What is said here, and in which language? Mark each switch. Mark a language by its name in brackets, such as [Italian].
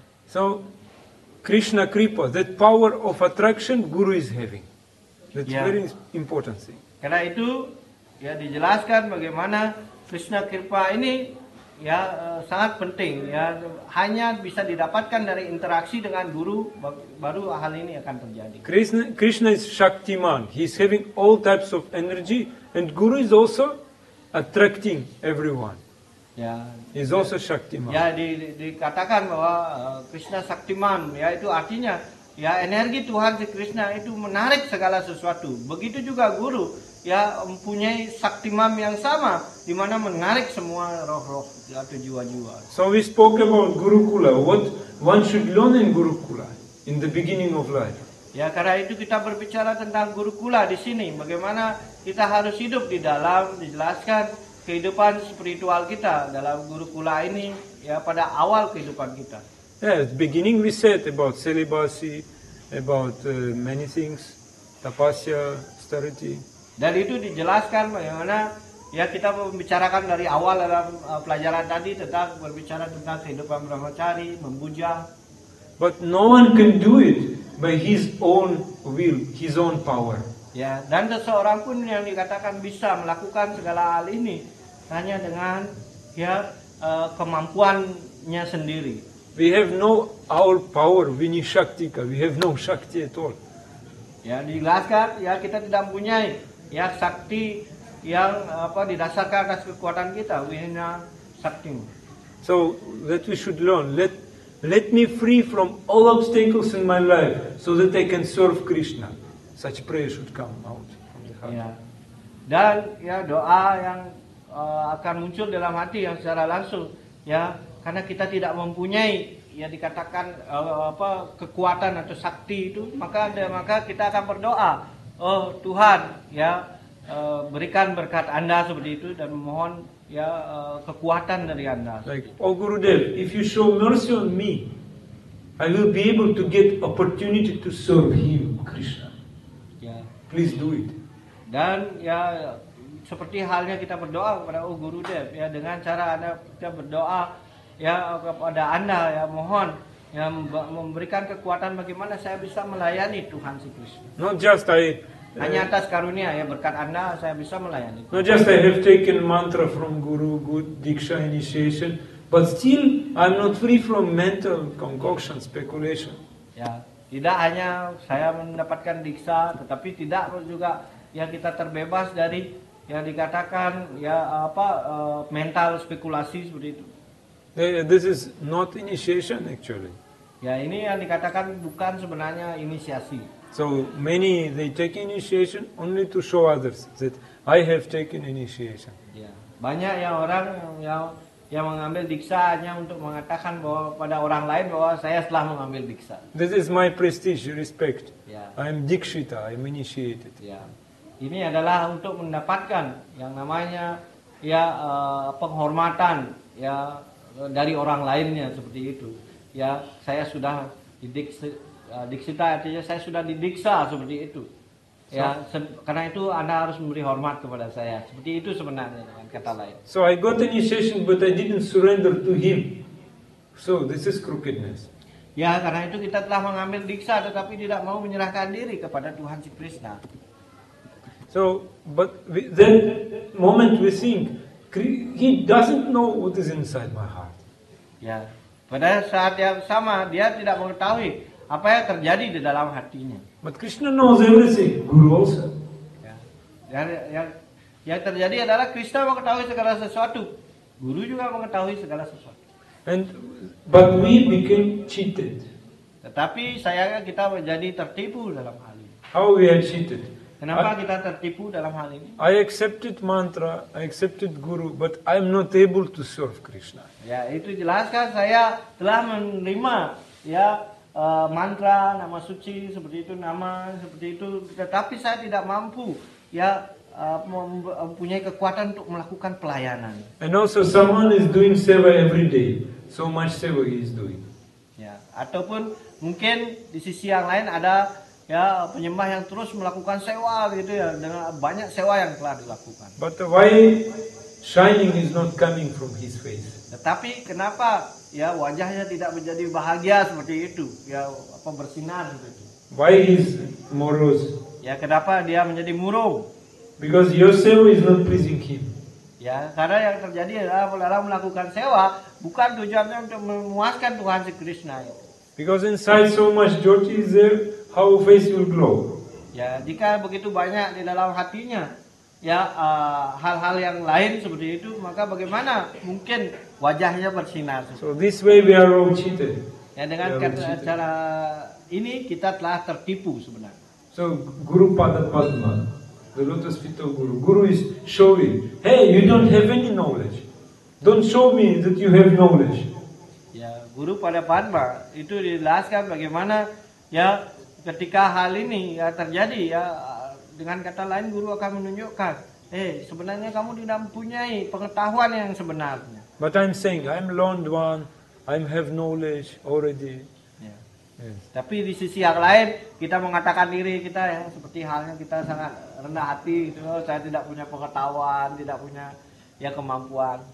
[English] So Krishna kripa, that power of attraction guru is having. That's yeah, very important thing. [Indonesian] Karena itu ya dijelaskan bagaimana Krishna kripa ini ya sangat penting, ya hanya bisa didapatkan dari interaksi dengan guru baru hal ini akan terjadi. [English] Krishna is Shaktiman, he is having all types of energy and guru is also attracting everyone. [Indonesian] Ya, [English] he is also Shaktiman. [Indonesian] Ya, dikatakan bahwa Krishna Shaktiman, ya itu artinya ya energi Tuhan Sri Krishna itu menarik segala sesuatu. Begitu juga guru ya mempunyai saktimam yang sama di mana menarik semua roh-roh atau jiwa-jiwa. [English] So we spoke about gurukula, what one should learn in gurukula in the beginning of life. [Indonesian] Ya, karena itu kita berbicara tentang gurukula di sini, bagaimana kita harus hidup di dalam, dijelaskan kehidupan spiritual kita dalam gurukula ini ya pada awal kehidupan kita. [English] Yeah, at the beginning we said about celibacy, about many things, tapasya, austerity. [Indonesian] Dan itu dijelaskan bagaimana ya kita membicarakan dari awal dalam pelajaran tadi tentang berbicara tentang kehidupan brahmacari, membuja. [English] But no one can do it by his own will, his own power. [Indonesian] Ya, dan seseorang pun yang dikatakan bisa melakukan segala hal ini hanya dengan ya kemampuannya sendiri. [English] We have no our power, we need shakti. We have no shakti at all. [Indonesian] Ya, dijelaskan ya kita tidak mempunyai ya sakti yang apa didasarkan atas kekuatan kita, [English] we have no shakti. So that we should learn, let me free from all obstacles in my life so that I can serve Krishna. Such prayer should come out from the heart. [Indonesian] Ya. Dan ya doa yang akan muncul dalam hati yang secara langsung ya, karena kita tidak mempunyai ya dikatakan apa kekuatan atau sakti itu, maka kita akan berdoa, oh Tuhan ya berikan berkat Anda seperti itu dan memohon ya kekuatan dari Anda. [English] Like, oh Gurudev, if you show mercy on me, I will be able to get opportunity to serve him, Krishna. Yeah. Please do it. [Indonesian] Dan ya seperti halnya kita berdoa kepada oh Gurudev ya, dengan cara Anda kita berdoa ya kepada Anda ya, mohon yang memberikan kekuatan bagaimana saya bisa melayani Tuhan si Krishna. [English] Not just I. [Indonesian] Hanya atas karunia ya berkat Anda saya bisa melayani. [English] Not just I have taken mantra from Guru, good diksha initiation, but still I'm not free from mental concoction, speculation. [Indonesian] Ya, tidak hanya saya mendapatkan diksha, tetapi tidak juga ya kita terbebas dari ya dikatakan ya apa mental spekulasi seperti itu. [English] This is not initiation actually. [Indonesian] Ya, ini yang dikatakan bukan sebenarnya inisiasi. [English] So many they take initiation only to show others that I have taken initiation. [Indonesian] Ya, banyak ya orang yang mengambil diksa hanya untuk mengatakan bahwa pada orang lain bahwa saya telah mengambil diksa. [English] This is my prestige, respect. [Indonesian] Ya. [English] I am dikshita, I am initiated. [Indonesian] Ya. Ini adalah untuk mendapatkan yang namanya ya penghormatan ya dari orang lainnya seperti itu. Ya, saya sudah didiksa, artinya saya sudah didiksa seperti itu. Ya, karena itu Anda harus memberi hormat kepada saya. Seperti itu sebenarnya dengan kata lain. [English] So I got initiation but I didn't surrender to him. So this is crookedness. [Indonesian] Ya, karena itu kita telah mengambil diksa tetapi tidak mau menyerahkan diri kepada Tuhan si Krishna. [English] So but then moment we think he doesn't know what is inside my heart. [Indonesian] Ya. Pada saat yang sama dia tidak mengetahui apa yang terjadi di dalam hatinya. [English] But Krishna knows everything, Guru also. [Indonesian] Ya. Dan yang terjadi adalah Krishna mengetahui segala sesuatu. Guru juga mengetahui segala sesuatu. [English] But we became cheated. [Indonesian] Tetapi sayangnya kita menjadi tertipu dalam hal ini. [English] How we are cheated? [Indonesian] Kenapa kita tertipu dalam hal ini? [English] I accepted mantra, I accepted guru, but I am not able to serve Krishna. [Indonesian] Ya, itu jelaskan saya telah menerima ya mantra, nama suci seperti itu, nama seperti itu, tetapi saya tidak mampu ya mempunyai kekuatan untuk melakukan pelayanan. [English] And also someone is doing seva every day, so much seva he is doing. [Indonesian] Ya, ataupun mungkin di sisi yang lain ada ya penyembah yang terus melakukan sewa gitu ya, dengan banyak sewa yang telah dilakukan. [English] But why shining is not coming from his face? [Indonesian] Tetapi kenapa ya wajahnya tidak menjadi bahagia seperti itu? Ya apa bersinar gitu. [English] Why is moros? [Indonesian] Ya kenapa dia menjadi murung? [English] Because your sewa is not pleasing him. [Indonesian] Ya karena yang terjadi adalah pelayan melakukan sewa bukan tujuannya untuk memuaskan Tuhan si Krishna. [English] Because inside so much jyoti is there, how face will glow? [Indonesian] Ya, jika begitu banyak di dalam hatinya, ya hal-hal yang lain seperti itu, maka bagaimana mungkin wajahnya bersinar? [English] So this way we are all cheated. [Indonesian] Ya, dengan cara ini kita telah tertipu sebenarnya. [English] So Guru Pada Padma, the lotus feet of Guru, Guru is showing, hey, you don't have any knowledge. Don't show me that you have knowledge. [Indonesian] Guru pada Padma itu dijelaskan bagaimana ya ketika hal ini ya terjadi ya, dengan kata lain guru akan menunjukkan, sebenarnya kamu tidak mempunyai pengetahuan yang sebenarnya. [English] But I'm saying I'm learned one, I have knowledge already. [Indonesian] Ya. [English] Yes. [Indonesian] Tapi di sisi yang lain kita mengatakan diri kita yang seperti halnya kita sangat rendah hati itu, oh, saya tidak punya pengetahuan, tidak punya ya kemampuan.